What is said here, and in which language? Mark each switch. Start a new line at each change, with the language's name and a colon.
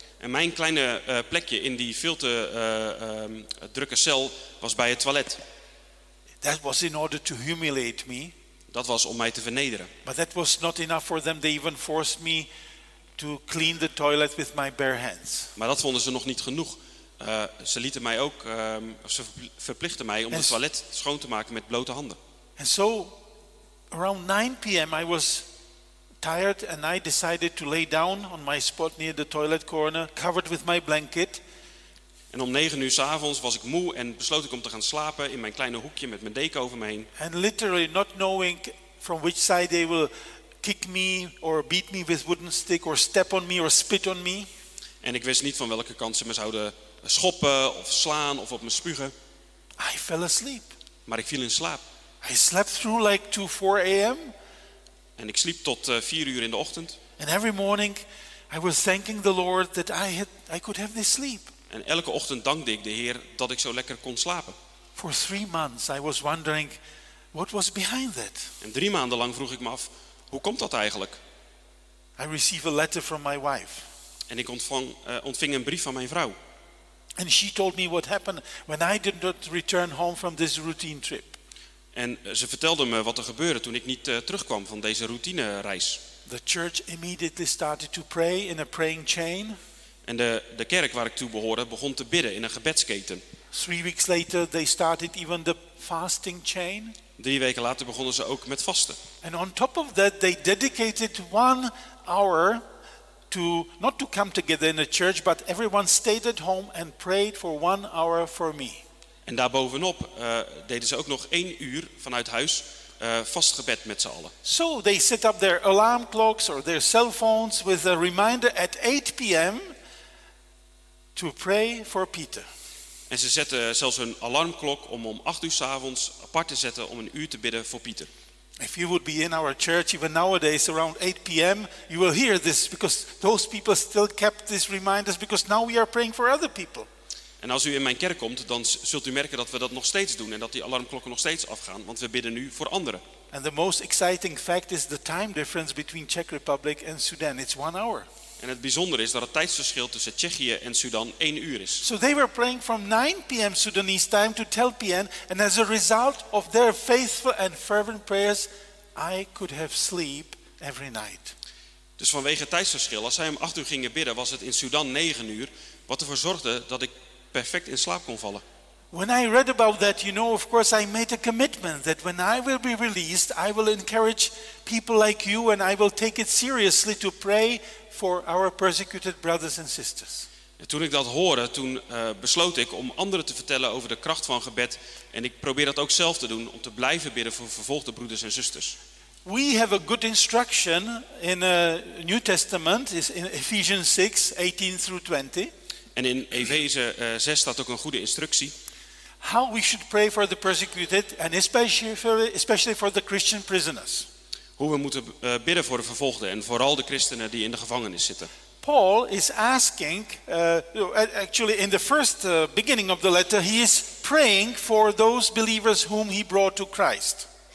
Dutch: En mijn kleine plekje in die veel te drukke cel was bij het toilet.
English: That was in order to humiliate me.
Dutch: Dat was om mij te vernederen.
English: But that was not enough for them. They even forced me to clean the toilet with my bare hands.
Dutch: Maar dat vonden ze nog niet genoeg. Ze lieten mij ook, ze verplichten mij om het toilet schoon te maken met blote handen.
English: And so, around 9 p.m. I was tired and I decided to lay down on my spot near the toilet corner, covered with my blanket.
Dutch: En om 9 uur 's avonds was ik moe en besloot ik om te gaan slapen in mijn kleine hoekje met mijn deken over me heen.
English: And literally not knowing from which side they will kick me or beat me with wooden stick or step on me or spit on me.
Dutch: En ik wist niet van welke kant ze me zouden schoppen of slaan of op me spugen.
English: I fell asleep.
Dutch: Maar ik viel in slaap.
English: I slept through like 2-4 a.m.
Dutch: En ik sliep tot 4 uur in de ochtend.
English: And every morning I was thanking the Lord that I could have this sleep.
Dutch: En elke ochtend dankde ik de Heer dat ik zo lekker kon slapen.
English: For 3 months I was wondering what was behind that.
Dutch: En 3 maanden lang vroeg ik me af, hoe komt dat eigenlijk?
English: I received a letter from my wife.
Dutch: En ik ontving een brief van mijn vrouw.
English: And she told me what happened when I did not return home from this routine trip.
Dutch: En ze vertelde me wat er gebeurde toen ik niet terugkwam van deze routinereis.
English: The church immediately started to pray in a praying chain.
Dutch: En de kerk waar ik toe behoorde begon te bidden in een gebedsketen.
English: 3 weeks later they started even the fasting chain.
Dutch: 3 weken later begonnen ze ook met vasten.
English: And on top of that they dedicated 1 hour to not to come together in a church, but everyone stayed at home and prayed for 1 hour for me.
Dutch: En daarbovenop deden ze ook nog 1 uur vanuit huis vastgebed met z'n allen.
English: So they set up their alarm clocks or their cell phones with a reminder at 8 p.m. to pray for Peter.
Dutch: En ze zetten zelfs hun alarmklok om 8 uur 's avonds apart te zetten om 1 uur te bidden voor Peter.
English: If you would be in our church even nowadays around 8 p.m., you will hear this because those people still kept these reminders because now we are praying for other people.
Dutch: En als u in mijn kerk komt, dan zult u merken dat we dat nog steeds doen en dat die alarmklokken nog steeds afgaan, want we bidden nu voor anderen.
English: And the most exciting fact is the time difference between Czech Republic and Sudan. It's 1 hour.
Dutch: En het bijzondere is dat het tijdsverschil tussen Tsjechië en Sudan 1 uur is.
English: So they were praying from 9 p.m. Sudanese time to 10 p.m. and as a result of their faithful and fervent prayers, I could have sleep every night.
Dutch: Dus vanwege het tijdsverschil, als zij 8 uur gingen bidden, was het in Sudan 9 uur, wat ervoor zorgde dat ik perfect in slaap kon vallen.
English: When I read about that, you know, of course I made a commitment that when I will be released, I will encourage people like you and I will take it seriously to pray for our persecuted brothers and sisters.
Dutch: En toen ik dat hoorde, toen besloot ik om anderen te vertellen over de kracht van gebed en ik probeer dat ook zelf te doen om te blijven bidden voor vervolgde broeders en zusters.
English: We have a good instruction in a New Testament is in Ephesians 6, 18 through 20.
Dutch: En in Efeze 6 staat ook een goede instructie.
English: How we should pray for the persecuted and especially for the Christian prisoners.
Dutch: Hoe we moeten bidden voor de vervolgden en vooral de christenen die in de gevangenis zitten.
English: Paul is asking, actually in the first beginning of the letter, he is praying for those believers whom he brought to Christ.